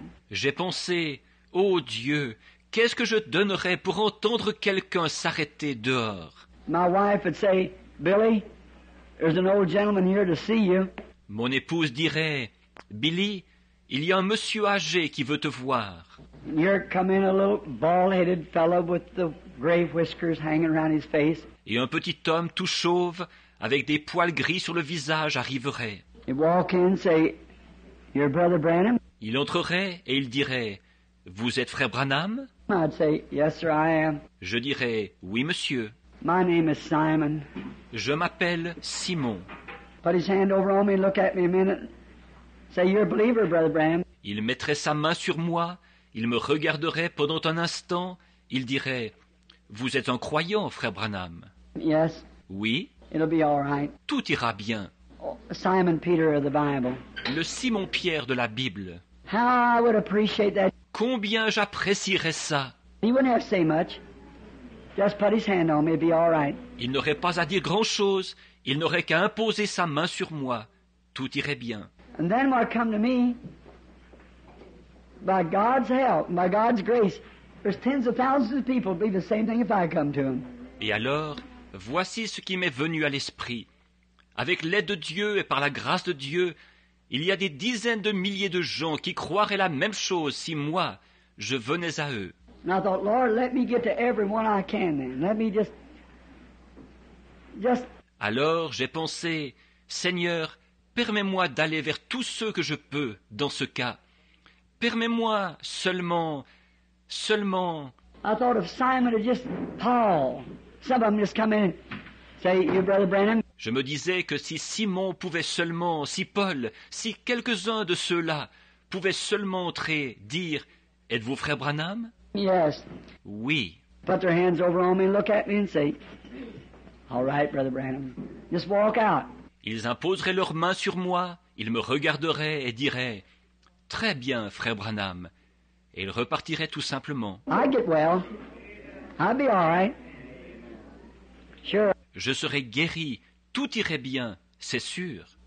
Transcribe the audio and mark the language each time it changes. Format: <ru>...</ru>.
<fr>J'ai pensé, ô Dieu, qu'est-ce que je donnerais pour entendre quelqu'un s'arrêter dehors?</fr> <en>My wife would say, Billy, there's an old gentleman here to see you.</en> <fr>Mon épouse dirait, Billy, il y a un monsieur âgé qui veut te voir.</fr> <en>You're coming a little bald-headed fellow with the gray whiskers hanging around his face.</en> <fr>Et un petit homme tout chauve avec des poils gris sur le visage arriverait.</fr> <en>He'd walk in and say, "You're Brother Branham?"</en> <fr>Il entrerait et il dirait, "Vous êtes frère Branham?"</fr> <en>I'd say, "Yes, sir, I am."</en> <fr>Je dirais, "Oui, monsieur."</fr> <en>My name is Simon.</en> <fr>Je m'appelle Simon.</fr> <en>Put his hand over on me and look at me a minute. Say, "You're a believer, Brother Branham."</en> <fr>Il mettrait sa main sur moi. Il me regarderait pendant un instant. Il dirait, vous êtes un croyant, frère Branham.</fr> <en>Yes.</en> <fr>Oui.</fr> <en>It'll be all right.</en> <fr>Tout ira bien.</fr> <en>Simon Peter of the Bible.</en> <fr>Le Simon Pierre de la Bible.</fr> <en>How I would appreciate that.</en> <fr>Combien j'apprécierais ça.</fr> <en>He wouldn't have to say much. Just put his hand on me, it'd be all right.</en> <fr>Il n'aurait pas à dire grand-chose. Il n'aurait qu'à imposer sa main sur moi. Tout irait bien.</fr> <en>And then what come to me, by God's help, by God's grace, there's tens of thousands of people believe the same thing if I come to them.</en> <fr>Et alors, voici ce qui m'est venu à l'esprit. Avec l'aide de Dieu et par la grâce de Dieu, il y a des dizaines de milliers de gens qui croiraient la même chose si moi, je venais à eux.</fr> <en>And I thought, Lord, let me get to everyone I can then. Let me just...</en> <fr>Alors, j'ai pensé, Seigneur, permets-moi d'aller vers tous ceux que je peux dans ce cas. Permets-moi seulement...</fr> <en>I thought of Simon or just Paul. Some of them just come in and say, you're Brother Branham.</en> <fr>Je me disais que si Simon pouvait seulement, si Paul, si quelques-uns de ceux-là pouvaient seulement entrer, dire, êtes-vous frère Branham?</fr> <en>Yes.</en> <fr>Oui.</fr> <en>Put their hands over on me, look at me and say, all right, Brother Branham, just walk out.</en> <fr>Ils imposeraient leurs mains sur moi, ils me regarderaient et diraient, très bien, frère Branham. Et ils repartiraient tout simplement.</fr> <en>I get well. I'll be all right. Sure.</en> <fr>Je serai guéri. Tout irait bien, c'est sûr.</fr>